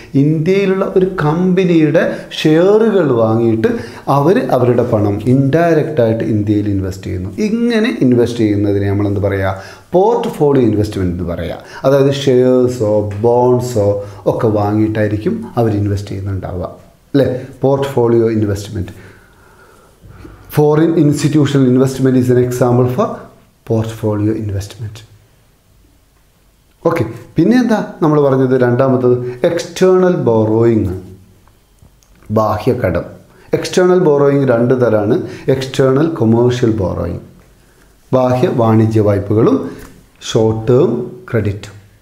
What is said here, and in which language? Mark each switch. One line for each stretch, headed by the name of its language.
Malayalam: ഇന്ത്യയിലുള്ള ഒരു കമ്പനിയുടെ ഷെയറുകൾ വാങ്ങിയിട്ട് അവർ അവരുടെ പണം ഇൻഡയറക്റ്റായിട്ട് ഇന്ത്യയിൽ ഇൻവെസ്റ്റ് ചെയ്യുന്നു. ഇങ്ങനെ ഇൻവെസ്റ്റ് ചെയ്യുന്നതിനെ നമ്മളെന്ത് പറയുക, പോർട്ട്ഫോളിയോ ഇൻവെസ്റ്റ്മെൻറ്റ് എന്ന് പറയുക. അതായത് ഷെയർസോ ബോൺസോ ഒക്കെ വാങ്ങിയിട്ടായിരിക്കും അവർ ഇൻവെസ്റ്റ് ചെയ്യുന്നുണ്ടാവുക അല്ലേ, portfolio investment.
English: Foreign institutional investment is an example for portfolio investment.
Malayalam: Okay, പിന്നെ എന്താ നമ്മൾ പറഞ്ഞത് രണ്ടാമത്തത് എക്സ്റ്റേണൽ ബോറോയിങ് ബാഹ്യകടം. എക്സ്റ്റേണൽ ബോറോയിങ് രണ്ട് തരമാണ്, എക്സ്റ്റേണൽ കൊമേഴ്ഷ്യൽ ബോറോയിങ് ബാഹ്യ വാണിജ്യ വായ്പകളും ഷോർട്ട് ടേം ക്രെഡിറ്റും.